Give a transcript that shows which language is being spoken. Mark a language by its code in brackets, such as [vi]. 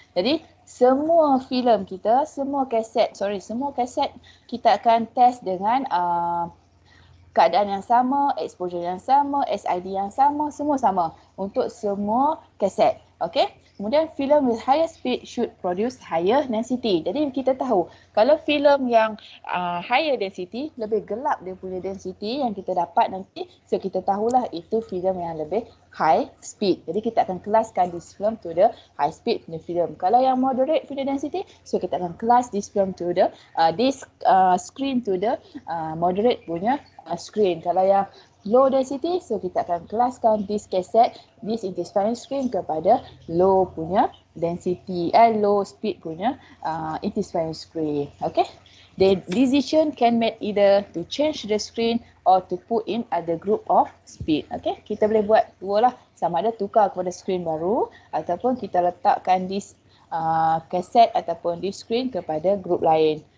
[ms] Jadi, semua film kita, semua cassette kita akan test dengan keadaan yang sama, exposure yang sama, SID yang sama, semua sama untuk semua cassette. Okay? [en] Kemudian film with higher speed should produce higher density. [ms] Jadi kita tahu kalau film yang [en] higher density, [ms] lebih gelap dia punya density yang kita dapat nanti, so kita tahulah itu film yang lebih high speed. Jadi kita akan kelaskan [en] this film to the high speed punya film. [ms] Kalau yang [en] moderate punya density, so [ms] kita akan kelas [en] this film to the screen to the moderate punya screen. [ms] Kalau yang [en] low density, so [ms] kita akan kelaskan [en] this cassette, this intensifying screen kepada low punya density, low speed punya intensifying screen. Okay, the decision can made either to change the screen or to put in other group of speed. [ms] Okay, kita boleh buat dua lah, sama ada tukar kepada screen baru ataupun kita letakkan [en] this cassette [ms] ataupun [en] this screen [ms] kepada group lain.